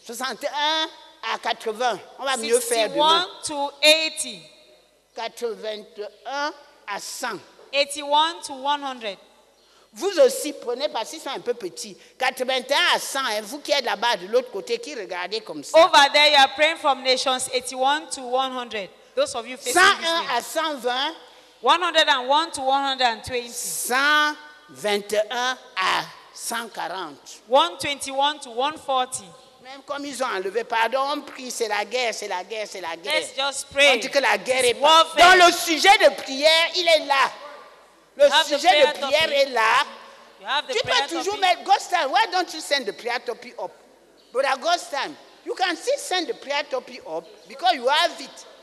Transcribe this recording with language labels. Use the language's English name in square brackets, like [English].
[French] 61 à 80. On va mieux faire demain. [English] 61 to 80. [French] 81 à 100. [English] 81 to 100. [French] Vous aussi, prenez parce qu'ils sont un peu petits. 81 à 100, hein, vous qui êtes là-bas de l'autre côté, qui regardez comme ça. [English] Over there, you are praying from nations 81 to 100. Those of you facing [French] 101 à 120. [English] 101 to 120. [French] 121 à 140. [English] 121 to 140. [French] Même comme ils ont enlevé, pardon, on prie, c'est la guerre, c'est la guerre, c'est la guerre. [English] Let's just pray. [French] On dit que la guerre est pas. Dans le sujet de prière, il est là. Le sujet de prière est là. Tu peux toujours mettre, [English] Gostan, why don't you send the prayer topic up? But Gostan, you can still send the prayer topic up because you have it.